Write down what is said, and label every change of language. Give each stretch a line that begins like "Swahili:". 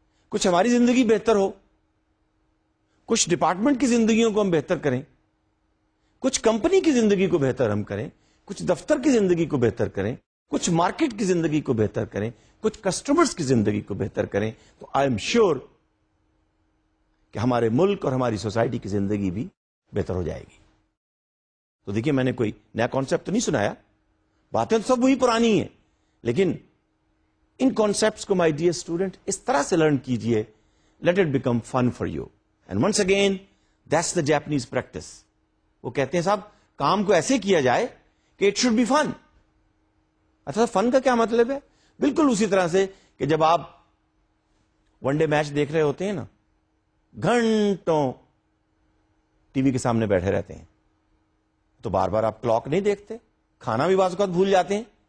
Urdu: کچھ ہماری زندگی بہتر ہو، کچھ ڈپارٹمنٹ کی زندگیوں کو ہم بہتر کریں، کچھ کمپنی کی زندگی کو بہتر ہم کریں، کچھ دفتر کی زندگی کو بہتر کریں، کچھ مارکیٹ کی زندگی کو بہتر کریں، کچھ کسٹمرز کی زندگی کو بہتر کریں، تو
English: I am sure
Urdu: کہ ہمارے ملک اور ہماری سوسائٹی کی زندگی بھی بہتر ہو جائے گی. تو دیکھیں میں نے کوئی نیا کانسیپٹ تو نہیں سنایا، باتیں تو سب وہی پرانی ہیں، لیکن ان کانسیپٹس کو مائی ڈیئر اسٹوڈنٹ اس طرح سے لرن کیجئے،
English: Let it become fun for you. And once again that's the Japanese practice.
Urdu: وہ کہتے ہیں صاحب کام کو ایسے کیا جائے کہ
English: It should be fun.
Urdu: اچھا فن کا کیا مطلب ہے؟ بالکل اسی طرح سے کہ جب آپ ون ڈے میچ دیکھ رہے ہوتے ہیں نا، گھنٹوں ٹی وی کے سامنے بیٹھے رہتے ہیں تو بار بار آپ کلاک نہیں دیکھتے، کھانا بھی بعض اوقات بھول جاتے ہیں.